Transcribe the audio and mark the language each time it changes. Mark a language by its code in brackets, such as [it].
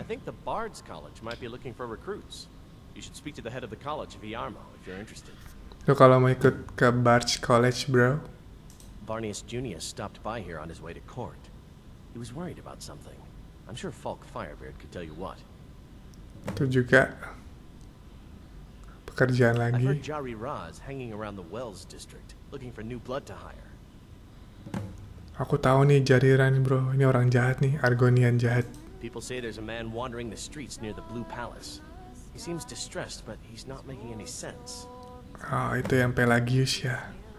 [en] I think the Bard's College might be looking for recruits. You should speak to the head of the college, Viarmo, if you're interested. [id] Lo kalau mau ikut ke Bard's College, bro. [en] Varnius Junius stopped by here on his way to court. He was worried about something. I'm sure Falk Firebeard could tell you what. [id] Itu juga pekerjaan lagi. [en] I heard Jari Raz hanging around the Wells district, looking for new blood to hire. [id] Aku tahu nih Jari Raz bro. Ini orang jahat nih, Argonian jahat. [en] People say there's a man wandering the streets near the Blue Palace. He seems distressed, but he's not making any sense. [id] Ah, oh, itu yang Pelagius ya.